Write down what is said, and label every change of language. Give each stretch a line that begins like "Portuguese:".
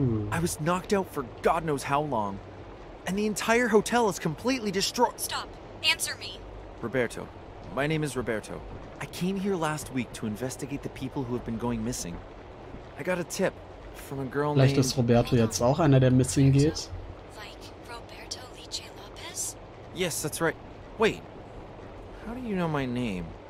English: I was knocked out for God knows how long. And the entire hotel is completely destroyed. Stop. Answer me. Roberto. My name is Roberto. I came here last week to investigate the people who have been going missing. I got a tip from a girl named...
German: Vielleicht ist Roberto jetzt auch einer, der missing geht.
English: Like Roberto Leche Lopez? Yes, that's right. Wait. How do you know my name?